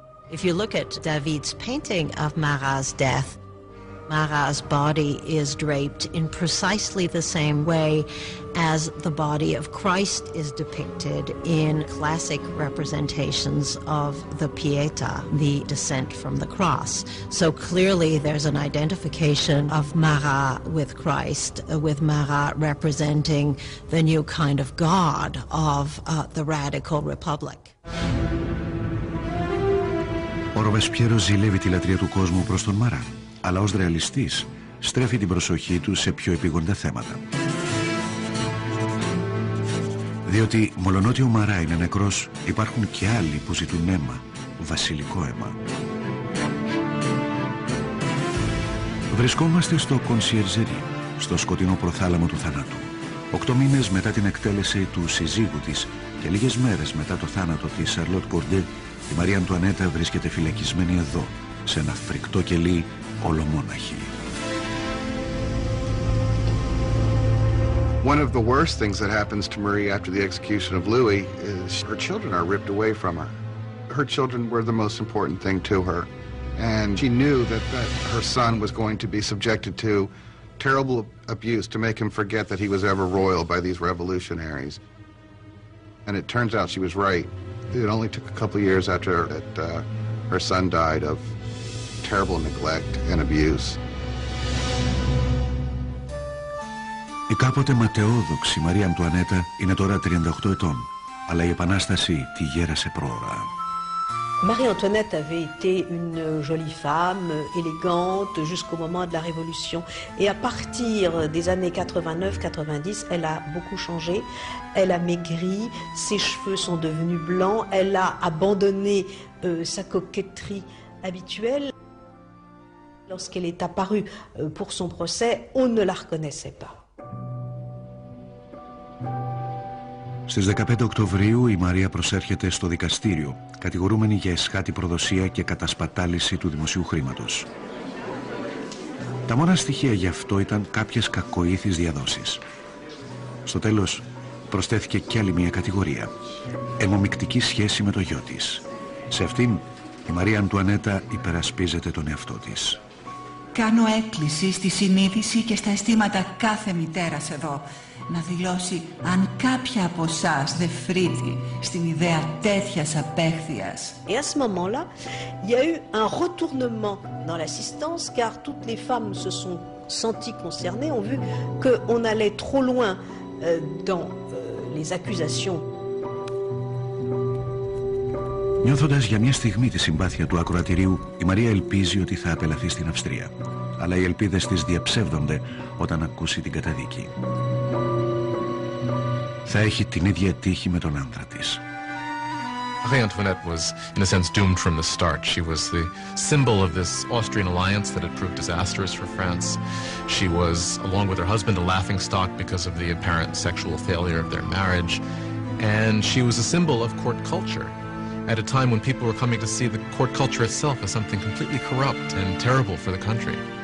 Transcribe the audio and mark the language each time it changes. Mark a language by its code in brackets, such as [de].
[en] If you look at David's painting of Marat's death, Marat's body is draped in precisely the same way as the body of Christ is depicted in classic representations of the Pietà, the descent from the cross. So clearly there's an identification of Marat with Christ, with Marat representing the new kind of God of the radical republic. [el] Ο Ρομπεσπιέρο ζηλεύει τη λατρεία του κόσμου προς τον Μαρά, αλλά ως ρεαλιστής στρέφει την προσοχή του σε πιο επίγοντα θέματα. Διότι μολονότι ο Μαρά είναι νεκρός, υπάρχουν και άλλοι που ζητούν αίμα, βασιλικό αίμα. Βρισκόμαστε στο κονσιερζερί, στο σκοτεινό προθάλαμο του θανάτου. 8 μήνες μετά την εκτέλεση του συζύγου της και λίγες μέρες μετά το θάνατο της Σαρλότ Κορντέ, η Μαρία Αντουανέτα βρίσκεται φυλακισμένη εδώ, σε ένα φρικτό κελί, ολομόναχη. [en] One of the worst things that happens to Marie after the execution of Louis is her children are ripped away from her. Her children were the most important thing to her, and she knew that, that her son was going to be subjected to terrible abuse to make him forget that he was ever royal by these revolutionaries. And it turns out she was right. It only took a couple of years after that her son died of terrible neglect and abuse. [el] Η κάποτε ματαιόδοξη Μαρία Αντουανέτα είναι τώρα 38 ετών, αλλά η επανάσταση τη γέρασε πρόωρα. [fr] Marie Antoinette avait été une jolie femme, élégante jusqu'au moment de la Révolution. Et à partir des années 89-90, elle a beaucoup changé. Elle a maigri, ses cheveux sont devenus blancs, elle a abandonné sa coquetterie habituelle. Lorsqu'elle est apparue pour son procès, on ne la reconnaissait pas. [el] Στις 15 Οκτωβρίου η Μαρία προσέρχεται στο δικαστήριο, κατηγορούμενη για εσχάτη προδοσία και κατασπατάληση του δημοσίου χρήματος. Τα μόνα στοιχεία γι' αυτό ήταν κάποιες κακοήθεις διαδόσεις. Στο τέλος προσθέθηκε και άλλη μια κατηγορία. Αιμομικτική σχέση με το γιο της. Σε αυτήν η Μαρία Αντουανέτα υπερασπίζεται τον εαυτό της. Κάνω έκκληση στη συνείδηση και στα αισθήματα κάθε μητέρας εδώ να δηλώσει αν κάποια από εσάς δεν φρύτει στην ιδέα τέτοιας απέχθειας. [fr] Et à ce moment-là, il y a eu un retournement dans l'assistance car toutes les femmes se sont senties concernées, ont vu qu'on allait trop loin dans les accusations. [el] Νιώθοντας για μια στιγμή τη συμπάθεια του ακροατηρίου, η Μαρία ελπίζει ότι θα απελαθεί στην Αυστρία. Αλλά οι ελπίδες της διαψεύδονται όταν ακούσει την καταδίκη. Θα έχει την ίδια τύχη με τον άντρα της. [en] Marie Antoinette was, in a sense, doomed from the start. She was the symbol of this Austrian alliance that had proved disastrous for France. She was, along with her husband, a laughingstock because of the apparent sexual failure of their marriage. And she was a symbol of court culture. At a time when people were coming to see the court culture itself as something completely corrupt and terrible for the country.